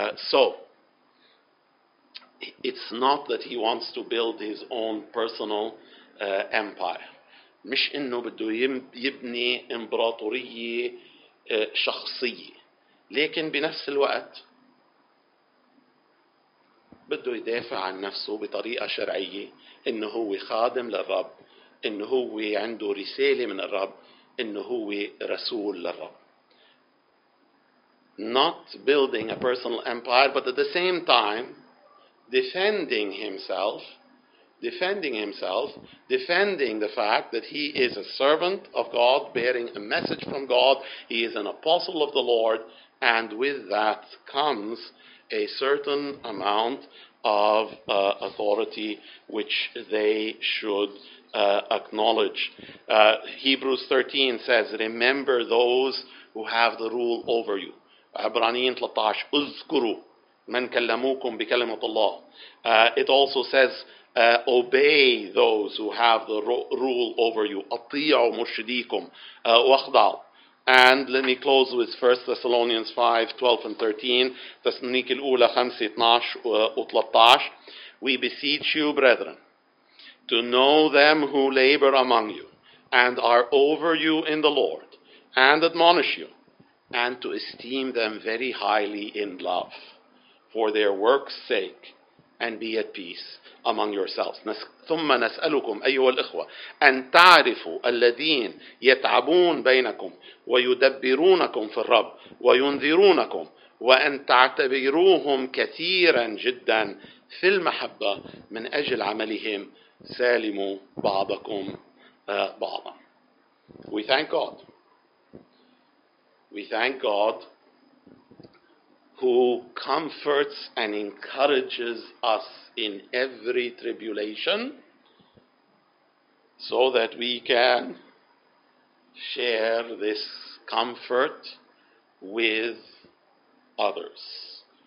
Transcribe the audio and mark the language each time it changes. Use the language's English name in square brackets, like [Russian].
[English] So it's not that he wants to build his own personal empire. [Arabic] مش انه بده يبني امبراطورية شخصية، لكن بنفس الوقت بده يدافع عن نفسه بطريقة شرعية، انه هو خادم للرب، انه هو عنده رسالة من الرب، انه هو رسول للرب. [English] Not building a personal empire, but at the same time defending the fact that he is a servant of God, bearing a message from God, he is an apostle of the Lord, and with that comes a certain amount of authority which they should acknowledge. Hebrews 13 says, remember those who have the rule over you. [Arabic] عبرانيين 13 اذكروا من كلموكم بكلمة الله. [English] It also says, obey those who have the rule over you. [Arabic] أطيعوا مرشديكم واخضعوا. [English] And let me close with 1 Thessalonians 5, 12 and 13. [Arabic] تسنيك الأولى 5, 12 و13. [English] We beseech you, brethren, to know them who labor among you and are over you in the Lord and admonish you and to esteem them very highly in love for their work's sake and be at peace among yourselves. [Arabic] ثم نسألكم أيها الإخوة أن تعرفوا الذين يتعبون بينكم ويدبرونكم في الرب وينذرونكم وأن تعتبروهم كثيرا جدا في المحبة من أجل عملهم سالموا بعضكم بعضا. [English] We thank God. We thank God who comforts and encourages us in every tribulation so that we can share this comfort with others.